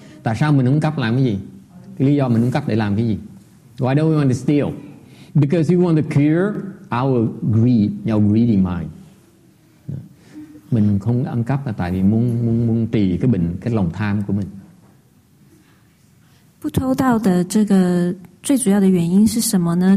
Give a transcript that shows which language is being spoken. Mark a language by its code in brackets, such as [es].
[vi] Tại sao mình không cắp làm cái gì? Cái lý do mình không cắp để làm cái gì? [en] Why don't we want to steal? Because we want to cure our greed, our greedy mind. [vi] Mình không ăn cắp là tại vì muốn trì cái bệnh, cái lòng tham của mình. [zh] 不偷盗的这个最主要的原因是什么呢？